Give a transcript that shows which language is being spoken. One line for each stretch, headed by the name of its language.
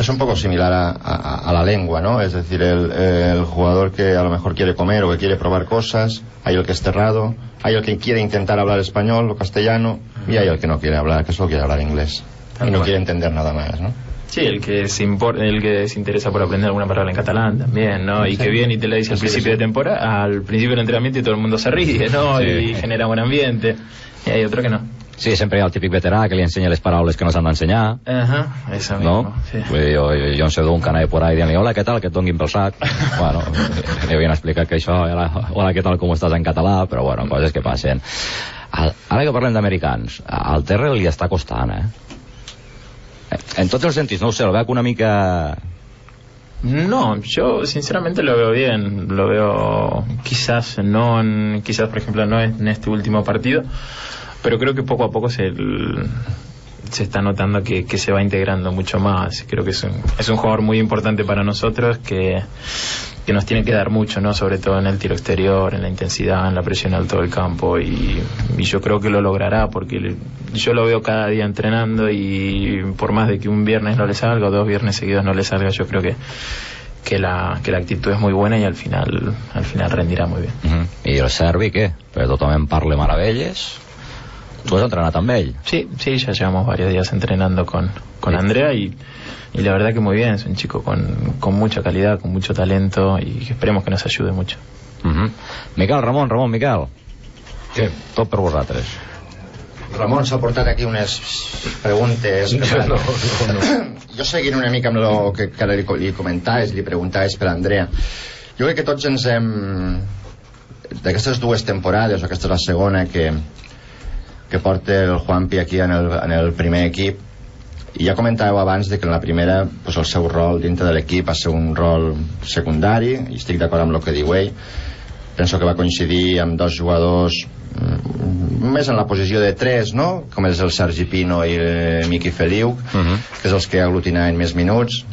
Spanish: Es un poco similar a la lengua, ¿no? Es decir, el jugador que a lo mejor quiere comer o que quiere probar cosas, hay el que es cerrado, hay el que quiere intentar hablar español o castellano, y hay el que no quiere hablar, que solo quiere hablar inglés. Tal y cual. No quiere entender nada más, ¿no? Sí, el que se interesa por aprender alguna palabra en catalán también, ¿no? Sí. Y que viene y te la dice al principio del entrenamiento y todo el mundo se ríe, ¿no? Sí. Y genera buen ambiente. Y hay otro que no.
Catalan: Sí, sempre hi ha el típic veterà que li ensenya les paraules que no s'han d'ensenyar.
Spanish: Ajá, eso mismo, no? Sí.
Catalan: Jo en sé d'un que anava por ahí dient-li, hola, què tal, que et donguin pel sac. Bueno, li havien explicat que això, hola, què tal, com estàs en català, però bueno, coses que passen. Ara que parlem d'americans, al Terra li està costant, eh? En tots els sentits, no ho sé, el veig una mica...
Spanish: No, yo sinceramente lo veo bien, lo veo quizás, por ejemplo, no en este último partido, pero creo que poco a poco se está notando que se va integrando mucho más. Creo que es un jugador muy importante para nosotros, que nos tiene que dar mucho, ¿no? Sobre todo en el tiro exterior, en la intensidad, en la presión alto del campo, y yo creo que lo logrará, porque yo lo veo cada día entrenando, y por más de que un viernes no le salga o dos viernes seguidos no le salga, yo creo que la actitud es muy buena y al final rendirá muy bien. Uh-huh. ¿Y el Servi qué? Pero tú también parle maravillas. ¿Tú has entrenado también? Sí, ya llevamos varios días entrenando con Andrea y la verdad que muy bien, es un chico con mucha calidad, con mucho talento y esperemos que nos ayude mucho. Uh-huh. Miquel, Ramon, Miquel. ¿Qué?
Catalan: Tot per vosaltres. Ramon s'ha portat aquí unes preguntes. No. Jo seguint una mica amb el que ara li preguntaves per Andrea. Jo crec que tots ens hem... D'aquestes dues temporades, o aquesta és la segona, que... que porte el Juanpi aquí en el primer equip. I ja comentàveu abans de que en la primera, pues, el seu rol dintre de l'equip va ser un rol secundari, i estic d'acord amb el que diu ell. Penso que va coincidir amb dos jugadors més en la posició de tres, no? Com és el Sergi Pino i el Miqui Feliu, que és els que aglutinaven més minuts.